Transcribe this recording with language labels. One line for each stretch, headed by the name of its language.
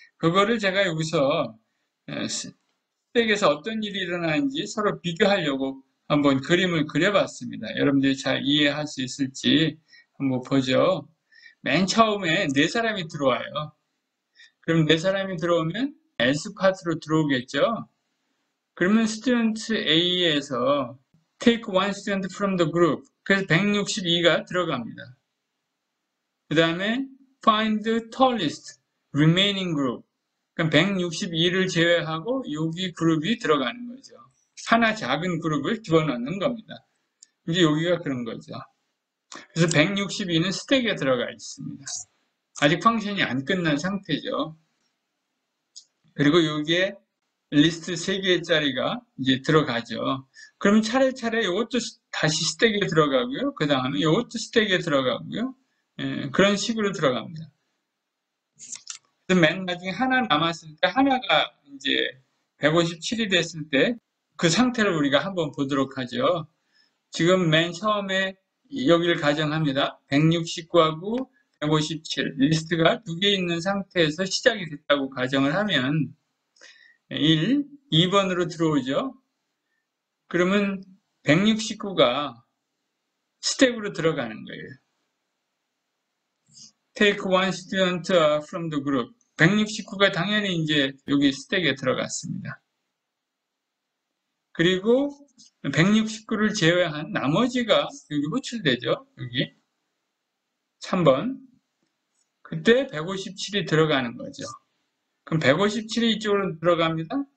Korean: 그거를 제가 여기서 스펙에서 어떤 일이 일어나는지 서로 비교하려고 한번 그림을 그려봤습니다. 여러분들이 잘 이해할 수 있을지 한번 보죠. 맨 처음에 네 사람이 들어와요. 그럼 네 사람이 들어오면 S 파트로 들어오겠죠? 그러면 스튜던트 A에서
English: take one student from the group.
Korean: 그래서 162가 들어갑니다. 그 다음에
English: find the tallest remaining group.
Korean: 그럼 162를 제외하고 여기 그룹이 들어가는 거죠. 하나 작은 그룹을 집어넣는 겁니다. 이제 여기가 그런 거죠. 그래서 162는 스택에 들어가 있습니다. 아직 펑션이 안 끝난 상태죠. 그리고 여기에 리스트 3개짜리가 이제 들어가죠. 그럼 차례차례 이것도 다시 스택에 들어가고요. 그 다음에 이것도 스택에 들어가고요. 예, 그런 식으로 들어갑니다. 맨 나중에 하나 남았을 때, 하나가 이제 157이 됐을 때, 그 상태를 우리가 한번 보도록 하죠. 지금 맨 처음에 여기를 가정합니다. 169하고 157, 리스트가 두개 있는 상태에서 시작이 됐다고 가정을 하면, 1, 2번으로 들어오죠. 그러면 169가 스택으로 들어가는 거예요.
English: Take one student from the group.
Korean: 169가 당연히 이제 여기 스택에 들어갔습니다. 그리고 169를 제외한 나머지가 여기 호출되죠. 여기. 3번. 그때 157이 들어가는 거죠. 그럼 157이 이쪽으로 들어갑니다.